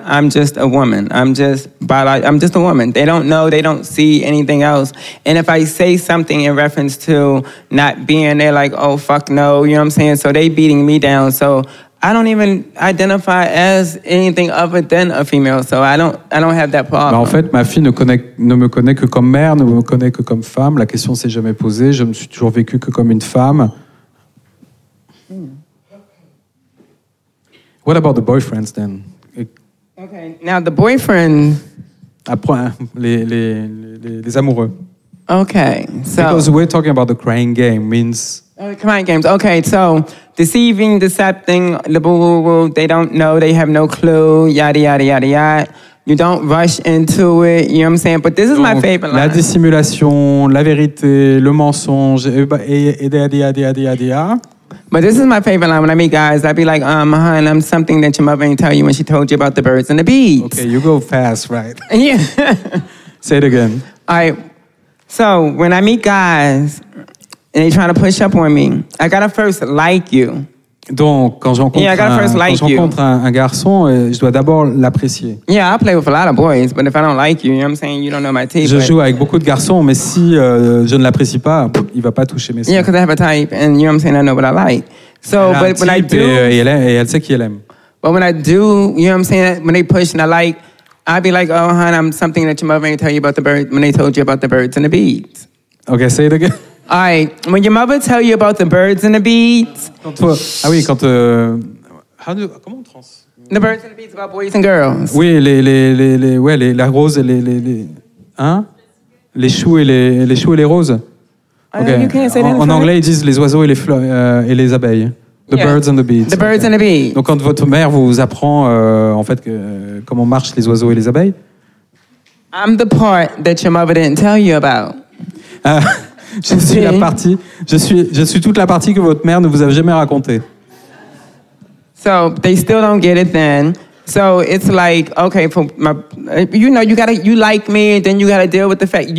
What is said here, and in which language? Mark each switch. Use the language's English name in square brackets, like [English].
[English] I'm just a woman. I'm just a woman. They don't know, they don't see anything else. And if I say something in reference to not being, they're like, oh, fuck no, you know what I'm saying? So they beating me down. So I don't even identify as anything other than a female. So I don't have that problem. [French] Mais en fait, ma fille ne me connaît que comme mère, ne me connaît que comme femme. La question s'est jamais posée. Je me suis toujours vécu que comme une femme. [English] What about the boyfriends then? Okay, now the boyfriend. [French] Après, les amoureux. [English] Okay, so. Because we're talking about the crying game means. Crying games, okay, so deceiving, decepting, the boo-boo-boo, they don't know, they have no clue, yada, yada, yada, yada. You don't rush into it, you know what I'm saying? But this is my favorite line. [French] La dissimulation, la vérité, le mensonge, et yada, yada, yada, yada. [English] But this is my favorite line. When I meet guys, I'd be like, hon, I'm something that your mother ain't tell you when she told you about the birds and the bees. Okay, you go fast, right? Yeah. Say it again. All right. So when I meet guys and they're trying to push up on me, I got to first like you. [French] Donc, quand j'encontre un garçon, je dois d'abord l'apprécier. [English] Yeah, I play with a lot of boys, but if I don't like you, you know what I'm saying, you don't know my type. [French] Je joue avec beaucoup de garçons, mais si je ne l'apprécie pas, il ne va pas toucher mes seins. [English] Yeah, because I have a type, and you know what I'm saying, I know what I like. So, but when I do... [French] Et elle sait qui elle aime. [English] But when I do, you know what I'm saying, when they push and I like, I'd be like, oh, hon, I'm something that your mother ain't tell you about the birds, when they told you about the birds and the bees. Okay, say it again. All right. When your mother tell you about the birds and the bees. [French] Comment on trans? [English] The birds and the bees about boys and girls. [French] Oui, la rose et les choux et les choux et les roses. [English] Okay. You can't say that [French] en anglais, ils disent les oiseaux et les fleurs et les abeilles. [English] The birds and the bees. The birds and the bees. [French] Donc quand votre mère vous apprend en fait comment marchent les oiseaux et les abeilles. [English] I'm the part that your mother didn't tell you about. [French] Je suis toute la partie que votre mère ne vous a jamais racontée. [English] So they still don't get it then. So it's like, okay, for my, you know, you like me, and then you gotta deal with the fact.